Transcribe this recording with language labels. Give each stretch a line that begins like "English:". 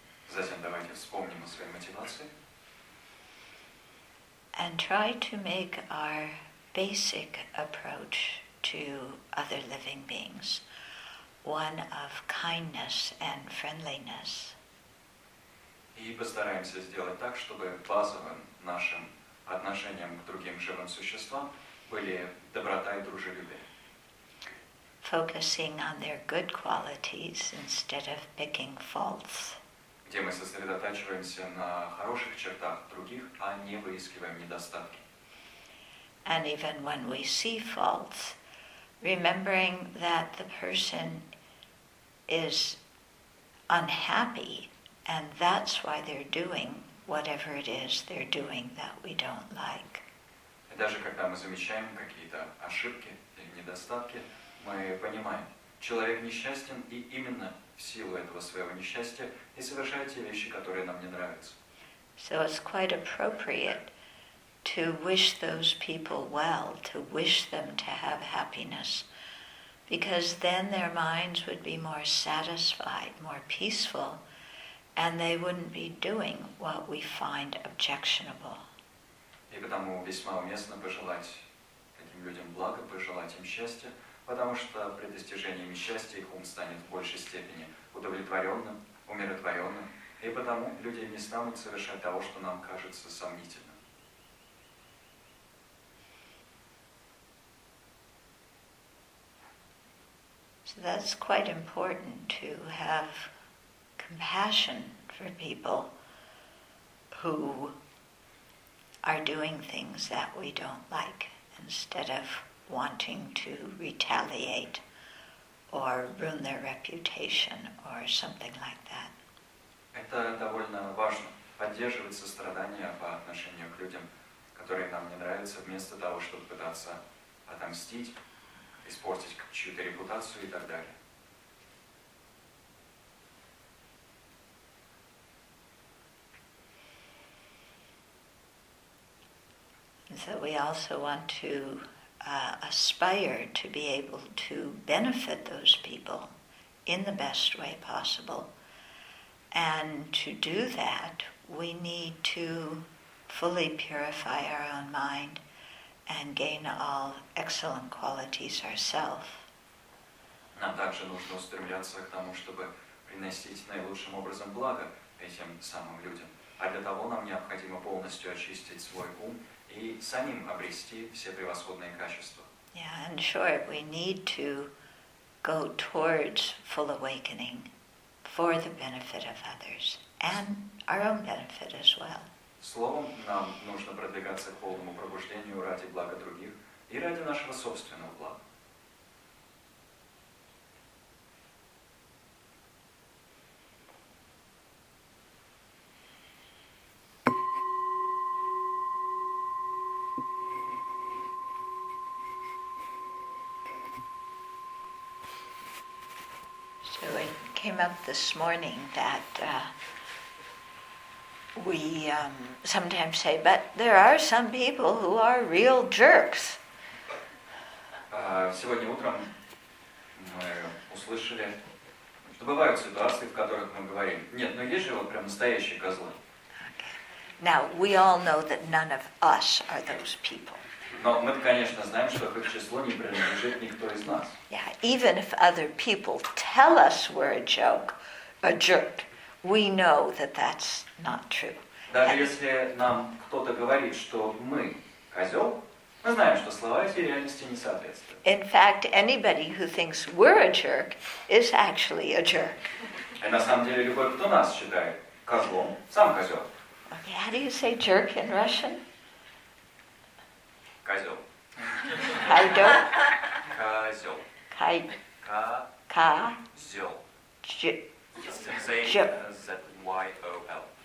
Russian: Затем давайте вспомним о своей мотивации.
English: And try to make our basic approach to other living beings one of kindness and friendliness.
Russian: И постараемся сделать так, чтобы базовым нашим отношением к другим живым существам были доброта и дружелюбие.
English: Focusing on their good qualities instead of picking faults.
Russian: Где мы сосредотачиваемся на хороших чертах других, а не выискиваем недостатки.
English: And even when we see faults, remembering that the person is unhappy and that's why they're doing whatever it is they're doing that we don't like.
Russian: И даже когда мы замечаем какие-то ошибки или недостатки, мы понимаем, человек несчастен, и именно в силу этого своего несчастья и совершает те вещи, которые нам не нравятся.
English: So it's quite appropriate to wish those people well, to wish them to have happiness, because then their minds would be more satisfied, more peaceful, and they wouldn't be doing what we find objectionable.
Russian: И потому весьма уместно пожелать этим людям блага, пожелать им счастья, потому что при достижении счастья их ум станет в большей степени удовлетворенным, умиротворенным, и потому люди не станут совершать того, что нам кажется сомнительным.
English: So that's quite important to have compassion for people who are doing things that we don't like instead of wanting to retaliate or ruin their reputation or something like that.
Russian: Это довольно важно, поддерживать сострадание по отношению к людям, которые нам не нравятся, вместо того, чтобы пытаться отомстить, испортить чью-то репутацию и так далее.
English: So we also want to aspire to be able to benefit those people in the best way possible. And to do that, we need to fully purify our own mind and gain all excellent qualities ourselves.
Russian: Нам также нужно стремиться к тому, чтобы приносить наилучшим образом благо этим самым людям. А для того нам необходимо полностью очистить свой ум и самим обрести все превосходные качества.
English: Yeah, in short, we need to go towards full awakening for the benefit of others and our own benefit as well.
Russian: Словом, нам нужно продвигаться к полному пробуждению ради блага других и ради нашего собственного блага.
English: Came up this morning that we sometimes say, but there are some people who are real jerks.
Russian: Сегодня утром мы услышали, что бывают ситуации, в которых мы говорим, нет, но есть же вот прям настоящие козлы.
English: Okay. Now we all know that none of us are those people.
Russian: Но мы, конечно, знаем, что к их числу не принадлежит никто из нас.
English: Yeah, even if other people tell us we're a joke, a jerk, we know that that's not true.
Russian: Даже если нам кто-то говорит, что мы козел, мы знаем, что слова эти реальности не соответствуют.
English: In fact, anybody who thinks we're a jerk is actually a jerk.
Russian: И на самом деле любой, кто нас считает козлом, сам козел.
English: Okay, how do you say jerk in Russian?
Russian: Козел. Козел. Козел. Кай. Ка. Ка. Зел. Ч. З. Y. О. Л.